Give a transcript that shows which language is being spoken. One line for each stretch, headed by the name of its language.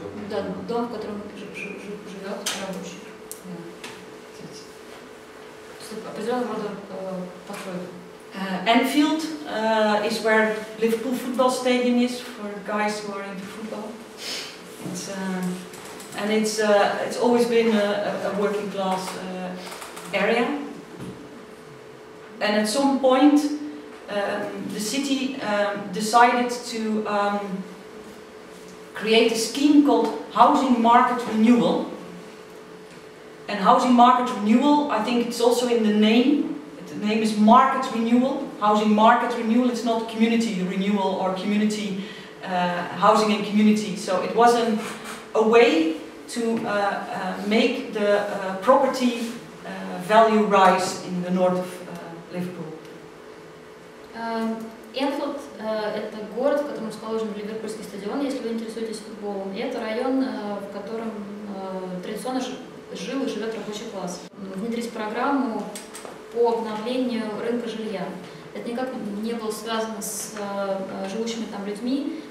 Russian: Да, дом, в котором живет рабочий. Определенного рода построек.
English: Anfield is where Liverpool football stadium is, for guys who are into football. It's, and it's always been a working class area. And at some point, the city decided to create a scheme called Housing Market Renewal. And Housing Market Renewal, I think it's also in the name. The name is Market Renewal. Housing Market Renewal, it's not Community Renewal or Community Housing and Community. So it wasn't a way to make the property value rise in the north of Liverpool.
Russian: Энфилд – это город, в котором расположен Ливерпульский стадион, если вы интересуетесь футболом. И это район, в котором традиционно жил и живет рабочий класс. Внедрить программу по обновлению рынка жилья. Это никак не было связано с живущими там людьми.